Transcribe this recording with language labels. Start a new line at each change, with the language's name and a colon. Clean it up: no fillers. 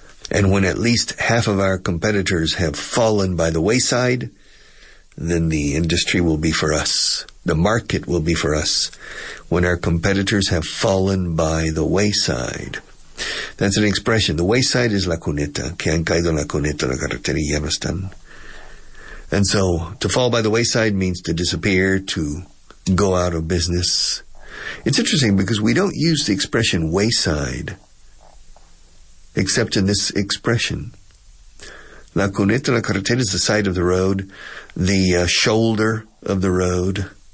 English: And when at least half of our competitors have fallen by the wayside, then the industry will be for us. The market will be for us when our competitors have fallen by the wayside. That's an expression. The wayside is la cuneta.
Spanish: Que han caído en la cuneta, la carretera, ya no están.
English: And so to fall by the wayside means to disappear, to go out of business. It's interesting because we don't use the expression wayside except in this expression.
Spanish: La cuneta, la carretera,
English: is the side of the road, the shoulder of the road.